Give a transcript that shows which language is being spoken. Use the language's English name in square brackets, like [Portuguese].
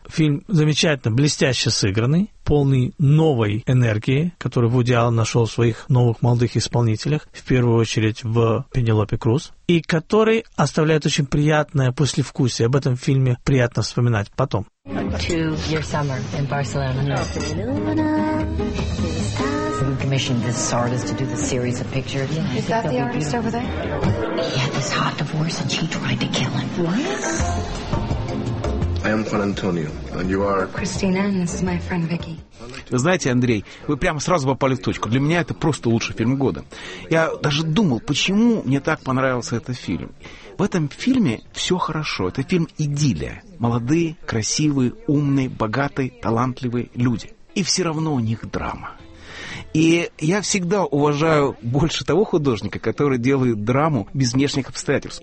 [Russian] Фильм замечательно, блестяще сыгранный, полный новой энергии, которую Вуди Аллен нашел в своих новых молодых исполнителях, в первую очередь в Пенелопе Круз, и который оставляет очень приятное послевкусие. Об этом фильме приятно вспоминать потом. [English] To your summer in Barcelona. Barcelona. Commissioned this artist to do the series of pictures. Yeah, is that the artist over there? He had this hot divorce and she tried to kill him. What? I am Juan Antonio, and you are... Christina, and this is my friend Vicky. [Russian] Вы знаете, Андрей, вы прямо сразу попали в точку. Для меня это просто лучший фильм года. Я даже думал, почему мне так понравился этот фильм. В этом фильме все хорошо. Это фильм идиллия. Молодые, красивые, умные, богатые, талантливые люди. И все равно у них драма. И я всегда уважаю больше того художника, который делает драму без внешних обстоятельств.